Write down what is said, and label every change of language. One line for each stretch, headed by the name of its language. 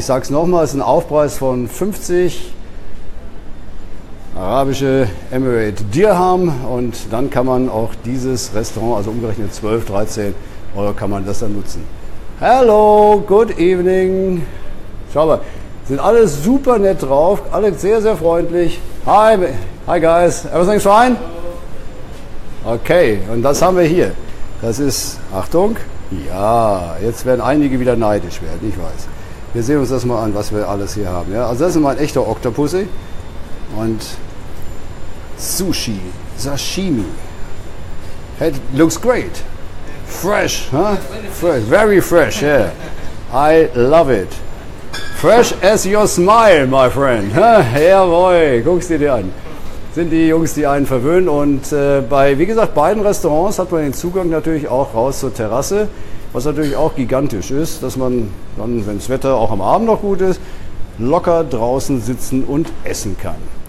German: Ich sag's nochmal, es ist ein Aufpreis von 50 arabische Emirate Dirham. Und dann kann man auch dieses Restaurant, also umgerechnet 12, 13 Euro, kann man das dann nutzen.
English: Hello, good evening.
German: Schau mal, sind alle super nett drauf, alle sehr, sehr freundlich.
English: Hi, hi guys, everything's fine?
German: Okay, und das haben wir hier. Das ist, Achtung, ja, jetzt werden einige wieder neidisch werden, ich weiß. Wir sehen uns das mal an, was wir alles hier haben. Ja, also das ist mal ein echter Oktopus. Und Sushi, Sashimi.
English: It looks great. Fresh, huh? Fresh, very fresh, yeah. I love it. Fresh as your smile, my friend.
German: Jawohl, guckst du dir an. Sind die Jungs, die einen verwöhnen. Und bei, wie gesagt, beiden Restaurants hat man den Zugang natürlich auch raus zur Terrasse, was natürlich auch gigantisch ist, dass man dann, wenn das Wetter auch am Abend noch gut ist, locker draußen sitzen und essen kann.